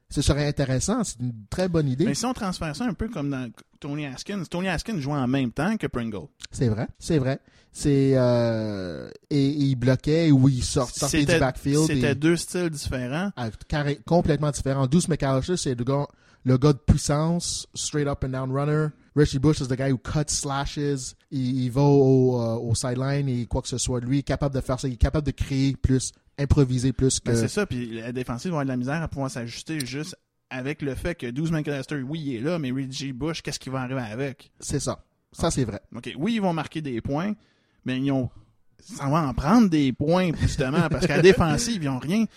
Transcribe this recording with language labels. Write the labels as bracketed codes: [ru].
[fr] Ce serait intéressant, c'est une très bonne idée. Mais si on transfère ça un peu comme dans Tony Haskins joue en même temps que Pringle. C'est vrai. Et il bloquait ou il sortait du backfield. C'était deux styles différents. Complètement différents. Deuce McAllister, c'est le gars de puissance, [en] straight up and down runner. Reggie Bush is the guy who cuts, slashes. [fr] Il va au sideline et quoi que ce soit. Lui, il est capable de faire ça. Il est capable de créer plus, improviser plus. Ben c'est ça. Puis la défensive va avoir de la misère à pouvoir s'ajuster juste avec le fait que Deuce McAllister, oui, il est là, mais Reggie Bush, qu'est-ce qu'il va arriver avec? C'est ça. Ça, c'est vrai. OK. Oui, ils vont marquer des points, mais ça va en prendre des points, justement, parce qu'à la défensive, ils n'ont rien.